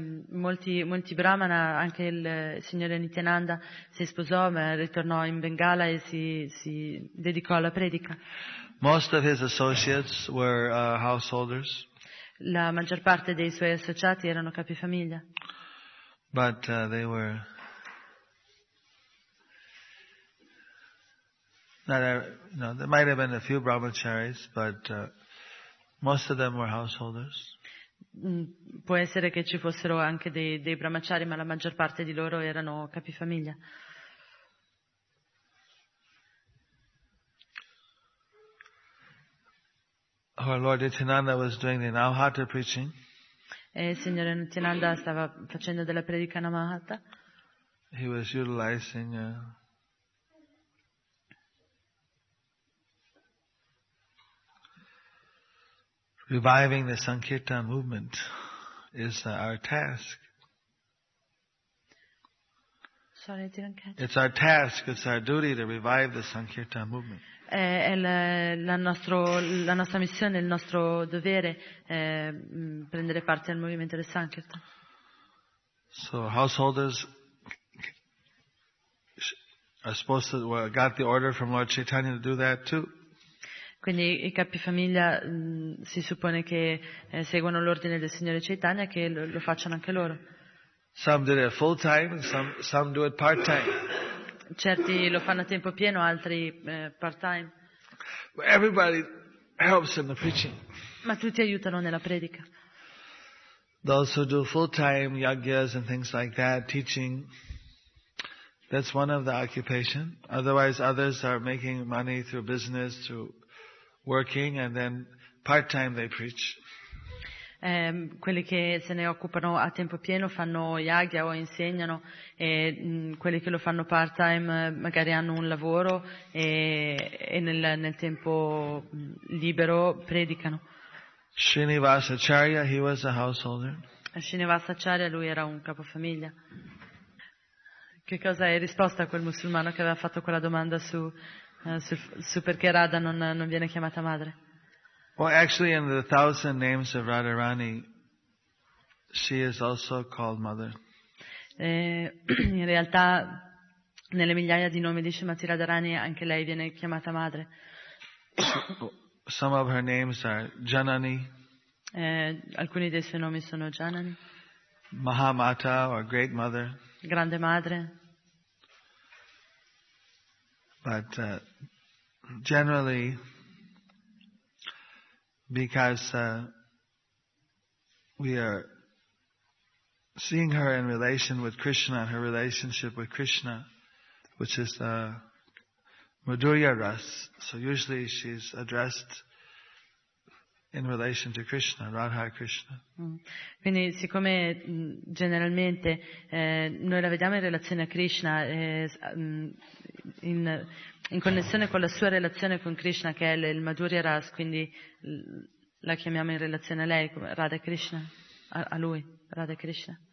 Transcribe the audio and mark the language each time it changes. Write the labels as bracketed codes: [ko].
[it] Molti brahmana, anche il signore Nityananda, si sposò, ma ritornò in Bengala e si dedicò alla predica. [en] Most of his associates were householders. [it] La maggior parte dei suoi associati erano capi famiglia. [en] But they were not. No, there might have been a few brahmacharis, but. Most of them were householders. [it] Può essere che ci fossero anche dei brahmachari, ma la maggior parte di loro erano capi famiglia. [en] Our Lord Nityananda was doing the Navahata preaching. [it] E il signore Nityananda stava facendo della predica Navahata. [en] He was utilizing reviving the Sankirtan movement is our task. Sorry, I didn't catch. It's our task, it's our duty to revive the Sankirtan movement. [it] È la nostra missione, il nostro dovere prendere parte al movimento del Sankirtan. [en] So householders are supposed to, well, got the order from Lord Chaitanya to do that too. [it] Quindi i capi famiglia si suppone che seguono l'ordine del signore Chaitanya che lo facciano anche loro. [en] Some do it full time, some do it part time. [it] Certi lo fanno a tempo pieno, altri part time. [en] But everybody helps in the preaching. [it] Ma tutti aiutano nella predica. [en] Those who do full time yagyas and things like that, teaching, that's one of the occupation. Otherwise others are making money through business, through working, and then part-time they preach. [it] Quelli che se ne occupano a tempo pieno fanno yagya o insegnano, e quelli che lo fanno part-time magari hanno un lavoro e nel tempo libero predicano. [en] Srinivasacharya, he was a householder. [it] Srinivasa Acharya lui era un capofamiglia. Che cosa hai risposto a quel musulmano che aveva fatto quella domanda su perché Radha non viene chiamata madre? [en] Well, actually, in the thousand names of Radharani, she is also called mother. [it] In realtà, nelle migliaia di nomi di Srimati Radharani, anche lei viene chiamata madre. [en] Some of her names are Janani. [it] Alcuni dei suoi nomi sono Janani. [en] Mahamata, or Great Mother. [it] Grande Madre. [en] But generally, because we are seeing her in relation with Krishna, and her relationship with Krishna, which is Madhurya Ras, so usually she's addressed in relation to Krishna, Radha Krishna. [it] Quindi siccome generalmente noi la vediamo in relazione a Krishna, in connessione con la sua relazione con Krishna, che è il Madhurya Ras, quindi la chiamiamo in relazione a lei, Radha Krishna, a lui, Radha Krishna.